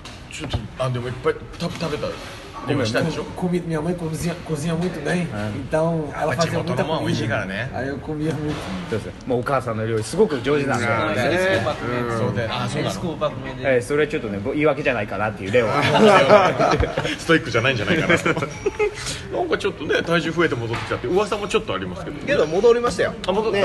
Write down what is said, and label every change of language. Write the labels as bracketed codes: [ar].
[ja] ちょっと、あ、でもいっぱい食べた。 [pt] Como está de jogo? Minha mãe cozinha muito bem, então ela fazia muita comida. Aí eu comia muito. [ja] お母さんの料理すごく上手なんですよね。それはちょっとね、言い訳じゃないかなっていうレオ。ストイックじゃないんじゃないかな。なんかちょっとね、体重増えて戻ってきたって噂もちょっとありますけど、ね、けど戻りましたよ。あ、戻った、